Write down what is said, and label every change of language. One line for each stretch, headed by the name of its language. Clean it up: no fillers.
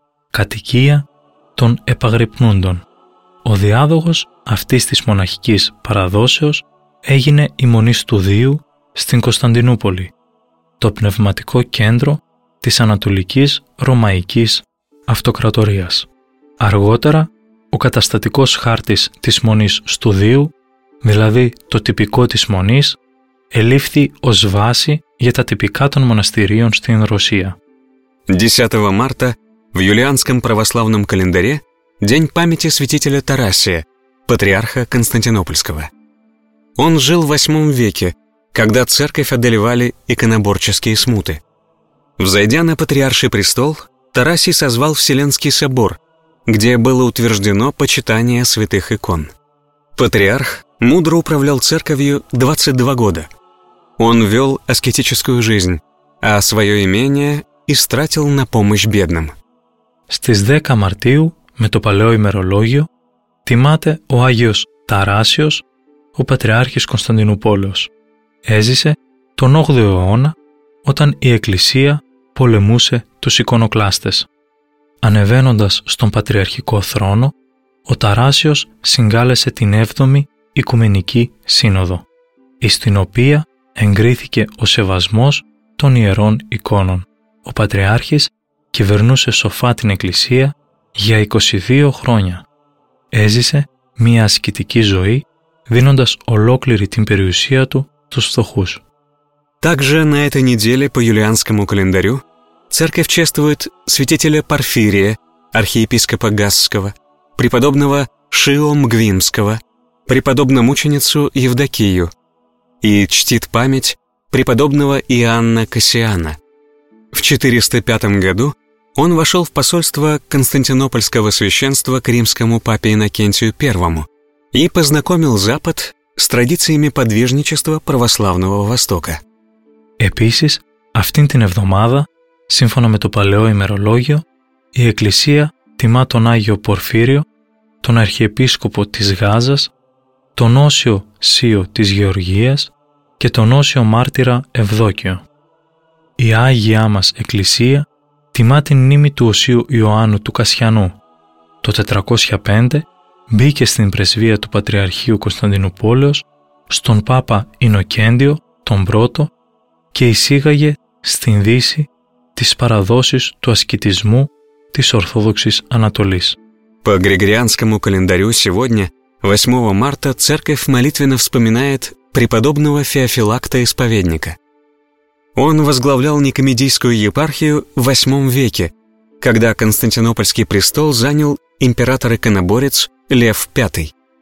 Greek: Κατοικία των επαγρυπνούντων. Ο διάδογος αυτής της μοναχικής παραδόσεως έγινε η Μονή Στουδίου στην Κωνσταντινούπολη, το πνευματικό κέντρο της Ανατολικής Ρωμαϊκής Αυτοκρατορίας. Αργότερα, ο καταστατικός χάρτης της Μονής Στουδίου, δηλαδή το τυπικό της Μονής, ελήφθη ως βάση για τα τυπικά των μοναστηρίων στην Ρωσία.
Russian: 10 Μάρτα в юлианском православном календаре день памяти святителя Тарасия, патриарха Константинопольского. Он жил в 8 веке, когда церковь одолевали иконоборческие смуты. Взойдя на патриарший престол, Тарасий созвал Вселенский собор, где было утверждено почитание святых икон. Патриарх мудро управлял церковью 22 года. Он вел аскетическую жизнь, а свое имение истратил на помощь бедным.
Greek: Στις 10 Μαρτίου, με το παλαιό ημερολόγιο, τιμάται ο Άγιος Ταράσιος, ο Πατριάρχης Κωνσταντινούπολεως. Έζησε τον 8ο αιώνα, όταν η Εκκλησία πολεμούσε τους εικονοκλάστες. Ανεβαίνοντας στον Πατριαρχικό θρόνο, ο Ταράσιος συγκάλεσε την 7η Οικουμενική Σύνοδο, εις την οποία εγκρίθηκε ο σεβασμός των ιερών εικόνων. Ο Πατριάρχης κυβερνούσε σοφά την Εκκλησία για 22 χρόνια. Έζησε μία ασκητική ζωή, δίνοντας ολόκληρη την περιουσία του στους φτωχούς.
Russian: Также на этой неделе по юлианскому календарю церковь чествует святителя Порфирия, архиепископа Гасского, преподобного Шио Мгвимского, преподобно-мученицу Евдокию и чтит память преподобного Иоанна Кассиана. В 405 году он вошел в посольство Константинопольского священства к римскому папе Иннокентию I и познакомил Запад с традициями подвижничества православного Востока.
Greek: Επίσης, αυτήν την εβδομάδα, σύμφωνα με το παλαιό ημερολόγιο, η Εκκλησία τιμά τον Άγιο Πορφύριο, τον Αρχιεπίσκοπο της Γάζας, τον Όσιο Σίο της Γεωργίας και τον Όσιο Μάρτυρα Ευδόκιο. Η Άγιά μας Εκκλησία τιμά την μνήμη του Οσίου Ιωάννου του Κασιανού. Το 405 μπήκε στην πρεσβεία του Πατριαρχείου Κωνσταντινουπόλεως στον Πάπα Ινοκέντιο τον Πρώτο και εισήγαγε στην Δύση τις παραδόσεις του ασκητισμού της Ορθόδοξης Ανατολής.
Russian: По Григорианскому календарю сегодня, 8 марта, церковь молитвенно вспоминает преподобного Феофилакта-исповедника. Он возглавлял Никомедийскую епархию в 8 веке, когда Константинопольский престол занял император-иконоборец Лев V.